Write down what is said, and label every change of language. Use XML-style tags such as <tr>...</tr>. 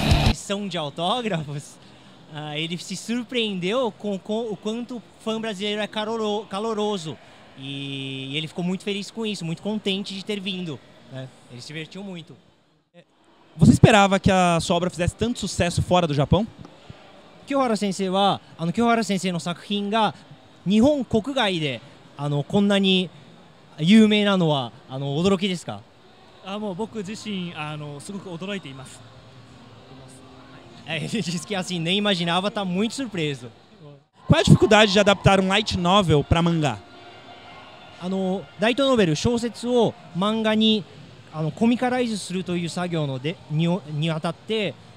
<pt>sessão de autógrafos, ele se surpreendeu com o quanto o fã brasileiro é caloroso. E ele ficou muito feliz com isso, muito contente de ter vindo. Né? Ele se divertiu muito. Você esperava que a sua obra fizesse tanto sucesso fora do Japão?</pt> <ja>清原先生は、清原先生の作品が日本国外で、こんなに有名なのは、驚きですか？僕自身、すごく驚いています。</ja> <pt>Ele disse que assim, nem imaginava, tá muito surpreso. Qual é a dificuldade de adaptar um light novel para mangá?</pt> <ja>Light novel, 小説を漫画にコミカライズするという作業にあたって、</ja>